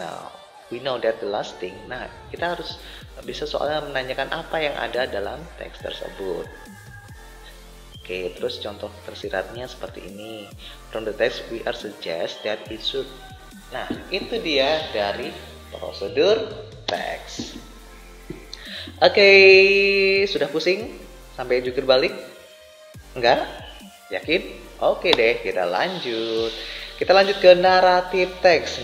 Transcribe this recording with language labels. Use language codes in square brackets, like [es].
[en] Now we know that the last thing. [id] Nah, kita harus bisa soalnya menanyakan apa yang ada dalam teks tersebut. Oke, terus contoh tersiratnya seperti ini. [en] From the text, we are suggest that it should. [id] Nah, itu dia dari prosedur teks. Oke, sudah pusing? Sampai jungkir balik? Enggak? Yakin? Oke deh, kita lanjut. Kita lanjut ke narrative text.